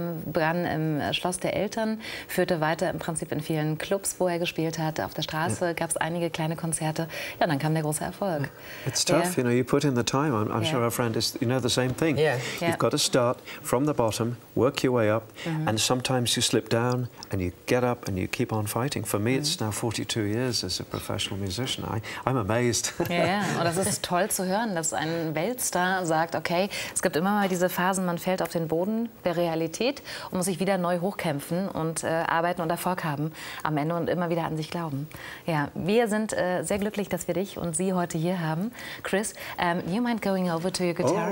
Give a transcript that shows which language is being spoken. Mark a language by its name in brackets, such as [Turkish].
[German] Begann im Schloss der Eltern, führte weiter im Prinzip in vielen Clubs, wo er gespielt hat. Auf der Straße gab es einige kleine Konzerte. Ja, dann kam der große Erfolg. [English] It's tough, yeah. You know, you put in the time. I'm sure our friend is, you know, the same thing. Yeah. You've got to start from the bottom, work your way up, and sometimes you slip down and you get up and you keep on fighting. For me, it's now 42 years as a professional musician. I'm amazed. [German] Yeah, und das ist toll zu hören, dass ein Weltstar sagt, okay, es gibt immer mal diese Phasen, man fällt auf den Boden der Realität und muss sich wieder neu hochkämpfen und arbeiten und Erfolg haben am Ende und immer wieder an sich glauben. Ja, wir sind sehr glücklich, dass wir dich und Sie heute hier haben. [English] Chris, you mind going over to your guitar?